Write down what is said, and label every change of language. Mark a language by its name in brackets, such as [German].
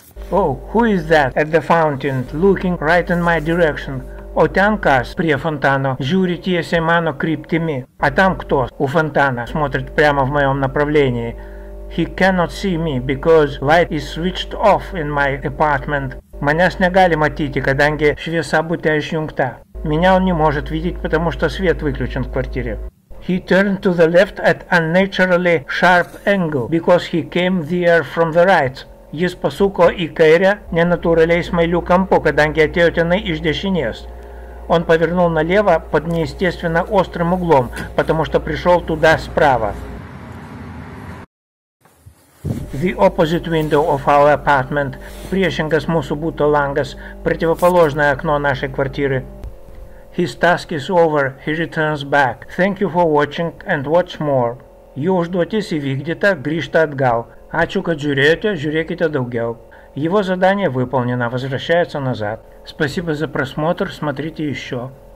[English] Oh, who is that at the fountain, looking right in my direction? [Lithuanian] O ten kas, prie фонтана, žiūri tiesiai mano kryptimi. [Russian] А там кто, у фонтана, смотрит прямо в моем направлении. [English] He cannot see me, because light is switched off in my apartment. [Lithuanian] Manęs negali matyti, kadangi šviesa bute išjungta. [Russian] Меня он не может видеть, потому что свет выключен в квартире. [English] He turned to the left at unnaturally sharp angle, because he came there from the right. [Lithuanian] Jis pasuko į kairę nenatūraliai smailių kampu, kadangi atėjo tenai iš dešinės. [Russian] Он повернул налево под неестественно острым углом, потому что пришел туда справа. [English] The opposite window of our apartment. [Lithuanian] Priešingas mūsų buto langas, [Russian] противоположное окно нашей квартиры. [English] His task is over, he returns back. Thank you for watching and watch more. [Lithuanian] Jo užduotis įvykdyta, grįžta atgal. Ačiū, kad žiūrėjote, žiūrėkite daugiau. [Russian] Его задание выполнено, возвращается назад. Спасибо за просмотр, смотрите еще.